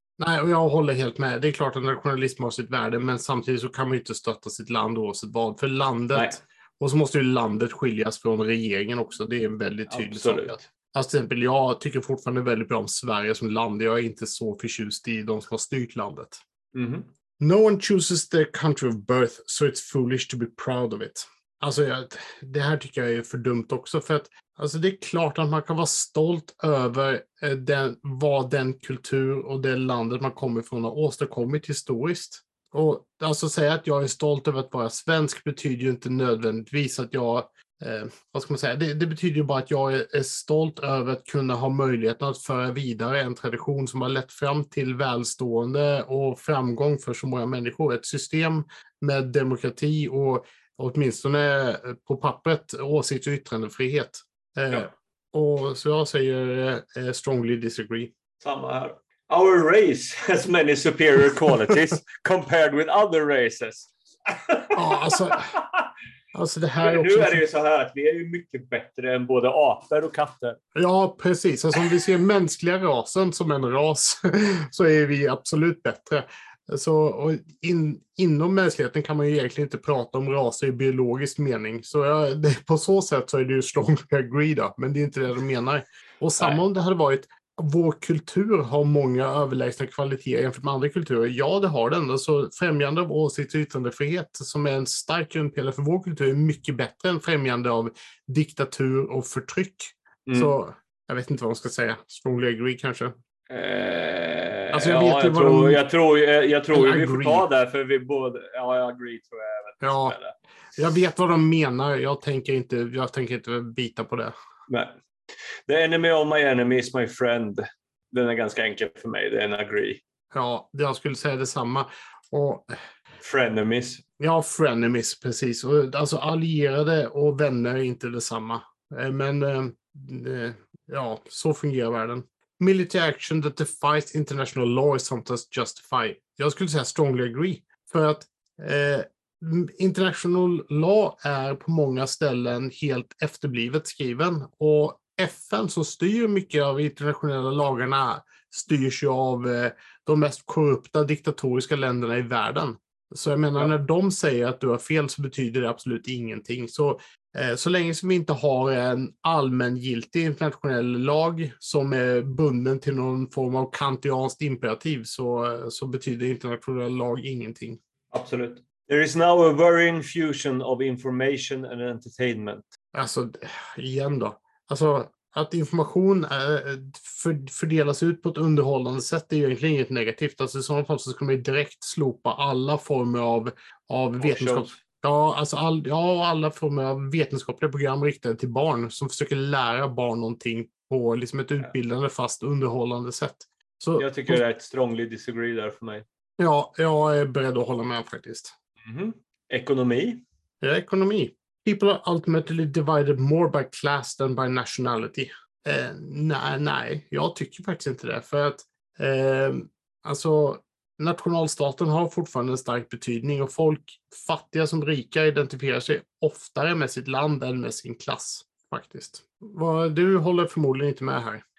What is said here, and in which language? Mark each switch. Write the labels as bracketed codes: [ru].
[sv] Nej, och jag håller helt med. Det är klart att nationalism har sitt värde, men samtidigt så kan man ju inte stötta sitt land oavsett vad. För landet, och så måste ju landet skiljas från regeringen också. Det är en väldigt tydlig sak. Alltså till exempel, jag tycker fortfarande väldigt bra om Sverige som land. Jag är inte så förtjust i de som har styrt landet. Mm-hmm. [en] No one chooses their country of birth, so it's foolish to be proud of it. [sv] Alltså det här tycker jag är för dumt också, för att alltså, det är klart att man kan vara stolt över vad den kultur och det landet man kommer ifrån har åstadkommit historiskt. Och alltså säga att jag är stolt över att vara svensk betyder ju inte nödvändigtvis att jag, vad ska man säga, det betyder ju bara att jag är stolt över att kunna ha möjligheten att föra vidare en tradition som har lett fram till välstående och framgång för så många människor. Ett system med demokrati och åtminstone på pappret åsikts- och yttrandefrihet. Ja. Och så jag säger [en] strongly disagree. [sv] Samma här. [en] Our race has many superior qualities compared with other races. [sv] Ja, alltså det här också. Nu är det ju så här att vi är ju mycket bättre än både apor och katter. Ja, precis. Alltså om vi ser mänskliga rasen som en ras så är vi absolut bättre. Så och inom mänskligheten kan man ju egentligen inte prata om raser i biologisk mening. Så på så sätt så är det ju [en] strongly agree [sv] då, men det är inte det de menar. Och samma om det hade varit, vår kultur har många överlägsna kvaliteter jämfört med andra kulturer. Ja, det har den. Alltså, främjande av åsikt och yttrandefrihet som är en stark grundpelare för vår kultur är mycket bättre än främjande av diktatur och förtryck. Mm. Så jag vet inte vad man ska säga. [en] Strongly agree [sv] kanske. Jag vet vad de menar. Jag tänker inte bita på det. Nej. [en] The enemy of my enemy is my friend. [sv] Den är ganska enkel för mig. Det är en agree. Ja, jag skulle säga detsamma. Och [en] frenemies. [sv] Ja, frenemies precis. Och, alltså allierade och vänner är inte detsamma. Men ja, så fungerar världen. [en] Military action that defies international law is sometimes justified. [sv] Jag skulle säga [en] strongly agree. [sv] För att [en] international law [sv] är på många ställen helt efterblivet skriven. Och FN som styr mycket av internationella lagarna styrs ju av de mest korrupta diktatoriska länderna i världen. Så jag menar, när de säger att du har fel så betyder det absolut ingenting. Så länge som vi inte har en allmängiltig internationell lag som är bunden till någon form av kantianskt imperativ så betyder internationell lag ingenting. Absolut. [en] There is now a worrying fusion of information and entertainment. [sv] Alltså, igen då. Alltså, att information fördelas ut på ett underhållande sätt är ju egentligen inget negativt. Alltså, i sådana fall så ska man ju direkt slopa alla former av vetenskap. Ja, alltså alla former av vetenskapliga program riktade till barn som försöker lära barn någonting på liksom ett utbildande fast underhållande sätt. Så, jag tycker det är ett [en] strongly disagree [sv] där för mig. Ja, jag är beredd att hålla med faktiskt. Mm-hmm. Ekonomi? Ja, ekonomi. [en] People are ultimately divided more by class than by nationality. [sv] Nej, jag tycker faktiskt inte det. För att nationalstaten har fortfarande en stark betydning och folk, fattiga som rika, identifierar sig oftare med sitt land än med sin klass faktiskt. Du håller förmodligen inte med här.